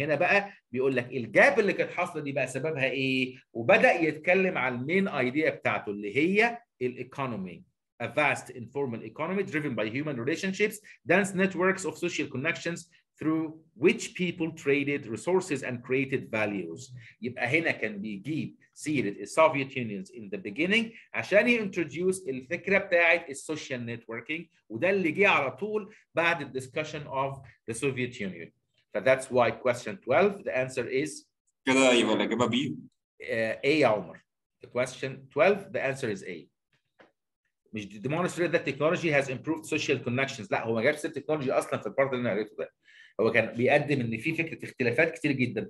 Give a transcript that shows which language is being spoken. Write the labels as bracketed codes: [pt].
[ar] هنا بقى بيقول لك الجاب اللي كانت حاصلة دي بقى سببها إيه؟ وبدأ يتكلم على المين أيديا بتاعته اللي هي الـ economy. [en] A vast informal economy driven by human relationships, dense networks of social connections through which people traded resources and created values. [ar] يبقى هنا كان بيجيب سيرة [en] the Soviet Unions in the beginning [ar] عشان يintroduce الفكرة بتاعت [en] social networking، [ar] وده اللي جه على طول بعد [en] the discussion of the Soviet Union. So that's why question 12, the answer is [ar] كده يبقى الإجابة B. [en] A [ar] يا عمر. [en] The question 12, the answer is A. مش demonstrate that technology has improved social connections. [ar] لا، هو ما جابش التكنولوجي اصلا في البارت اللي انا قريته ده. هو كان بيقدم ان في فكره اختلافات كتير جدا.